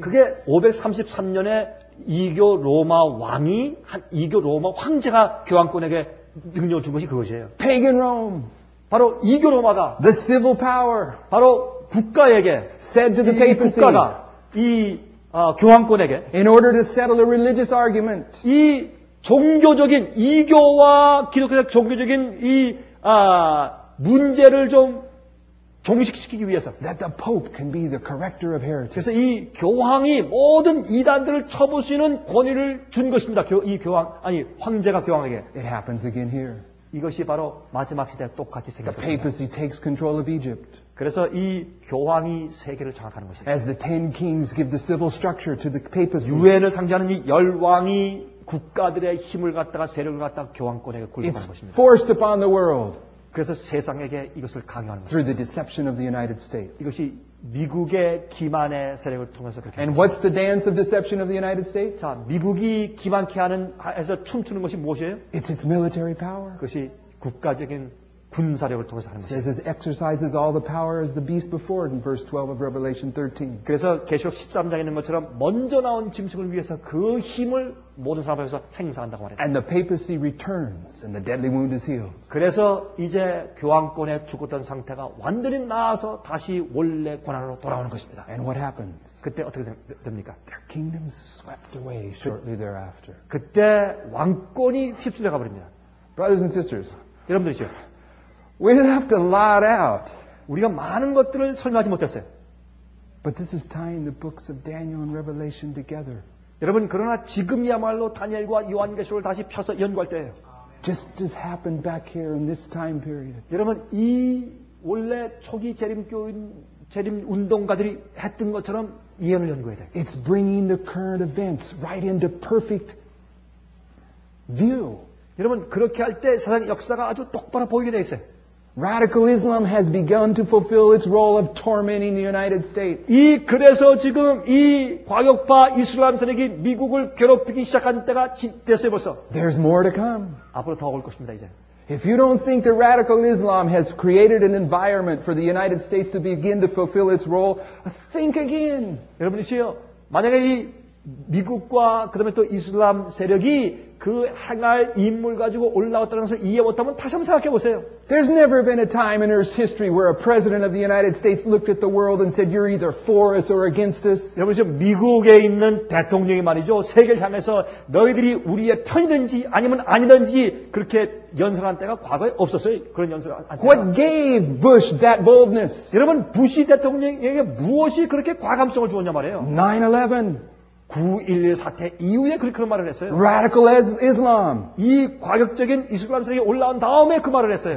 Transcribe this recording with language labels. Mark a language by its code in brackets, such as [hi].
[ko] 그게 533년에 이교 로마 왕이 이교 로마 황제가 교황권에게 능력을 준 것이 그것이에요. [en] Pagan Rome. [ko] 바로 이교 로마가 [en] the civil power. [ko] 바로 국가에게 [en] said to the papacy. [ko] 이 국가가 이 교황권에게 [en] in order to settle a religious argument. [ko] 이 종교적인 이교와 기독교의 종교적인 이 문제를 좀 종식시키기 위해서 [en] that the Pope can be the corrector of heretics. [ko] 그래서 이 교황이 모든 이단들을 처부 수 있는 권위를 준 것입니다. 황제가 교황에게. [en] It happens again here. [ko] 이것이 바로 마지막 시대에 똑같이 생겼습니다. [en] The papacy takes control of Egypt. [ko] 그래서 이 교황이 세계를 장악하는 것입니다. [en] As the ten kings give the civil structure to the papacy. [ko] 유엔을 상징하는 이 열왕이 국가들의 힘을 갖다가 세력을 갖다가 교황권에게 굴복하는 것입니다. [en] Forced upon the world. [ko] 그래서 세상에게 이것을 강요합니다. [en] Through the deception of the United States. [ko] 이것이 미국의 기만의 세력을 통해서 그렇게. [en] And what's the dance of deception of the United States? [ko] 자, 미국이 기만케 하는 해서 춤추는 것이 무엇이에요? [en] It's its military power. [ko] 그것이 국가적인 군사력을 통해서 하는 것입니다. [en] It says it exercises all the power as the beast before in verse 12 of Revelation 13. [ko] 그래서 계시록 13장에 있는 것처럼 먼저 나온 짐승을 위해서 그 힘을 모든 사람 앞에서 행사한다고 말했어요. [en] And the papacy returns and the deadly wound is healed. [ko] 그래서 이제 교황권에 죽었던 상태가 완전히 나아서 다시 원래 권한으로 돌아오는 것입니다. [en] And what happens? [ko] 그때 어떻게 됩니까? [en] Their kingdoms swept away shortly thereafter. [ko] 그때 왕권이 휩쓸려 가버립니다. [en] Brothers and sisters. [ko] 여러분들이시여. [en] We left a lot out. [ko] 우리가 많은 것들을 설명하지 못했어요. [en] But this is tying the books of Daniel and Revelation together. [ko] 여러분 그러나 지금이야말로 다니엘과 요한계시록을 다시 펴서 연구할 때예요. [en] Just as happened back here in this time period. [ko] 여러분 이 원래 초기 재림 운동가들이 했던 것처럼 예언을 연구해야 돼. [en] It's bringing the current events right into perfect view. [ko] 여러분 그렇게 할 때 세상 역사가 아주 똑바로 보이게 돼 있어요. [en] Radical Islam has begun to fulfill its role of tormenting the United States. [ko] 이 그래서 지금 이 과격파 이슬람 세력이 미국을 괴롭히기 시작한 때가 됐어요 벌써. [en] There's more to come. [ko] 앞으로 더 올 것입니다 이제. [en] If you don't think that radical Islam has created an environment for the United States to begin to fulfill its role, think again. [ko] 여러분이시여 만약에 이 미국과 그다음에 또 이슬람 세력이 그 행할 인물 가지고 올라왔다는 것을 이해 못하면 다시 한번 생각해 보세요. [en] There's never been a time in Earth's history where a president of the United States looked at the world and said, "You're either for us or against us." [ko] 여러분 지금 미국에 있는 대통령이 말이죠, 세계를 향해서 너희들이 우리의 편이든지 아니면 아니든지 그렇게 연설한 때가 과거에 없었어요. 그런 연설한 때가. [en] What gave Bush that boldness? [ko] 여러분 부시 대통령에게 무엇이 그렇게 과감성을 주었냐 말이에요. [en] 9/11. [ko] 9.11 사태 이후에 그런 말을 했어요. [en] Radical Islam. [ko] 이 과격적인 이슬람 세력이 올라온 다음에 그 말을 했어요.